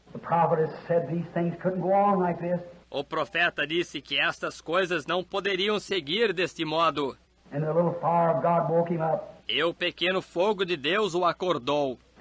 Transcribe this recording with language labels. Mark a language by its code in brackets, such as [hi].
[en] The prophet said these things couldn't go on like this. [pt] O profeta disse que estas coisas não poderiam seguir deste modo. [en] And the little fire of God woke him up. [pt] E o pequeno fogo de Deus o acordou.